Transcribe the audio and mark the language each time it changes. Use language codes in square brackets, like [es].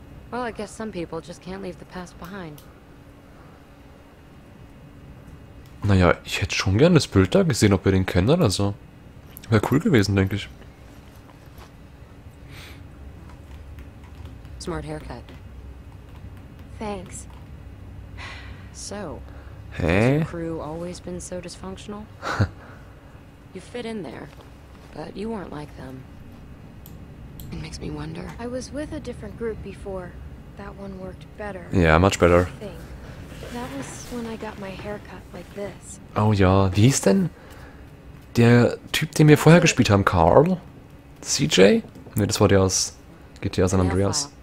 [en] Well, I guess some people just can't leave the past behind. [de] Naja, ich hätte schon gern das Bild da gesehen, ob ihr den kennt oder so. Wäre cool gewesen, denke ich. [en] Smart haircut. Thanks. So. Hey. Has your crew always been so dysfunctional? You fit in there. But you weren't like them. It makes me wonder. I was with a different group before. That one worked better. Yeah, much better. That was when I got my haircut like this. [de] Oh ja, wie hieß denn der Typ, den wir vorher gespielt haben? Carl? CJ? Ne, das war der aus GTA San Andreas.